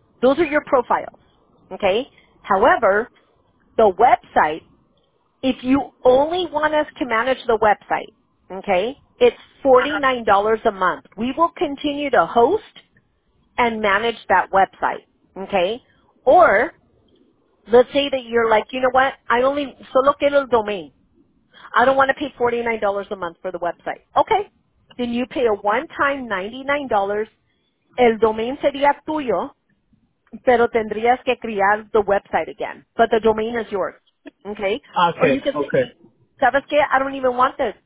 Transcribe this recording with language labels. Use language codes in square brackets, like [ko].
[en] Those are your profiles, okay? However, the website, if you only want us to manage the website, okay, it's $49 a month. We will continue to host and manage that website, okay? Or let's say that you're like, you know what? I only [es] solo quiero el [en] domain. I don't want to pay $49 a month for the website. Okay. Then you pay a one-time $99. [es] El domain sería tuyo, pero tendrías que crear [en] the website again. But the domain is yours. Okay? Okay. [es] ¿Sabes qué? [en] I don't even want this.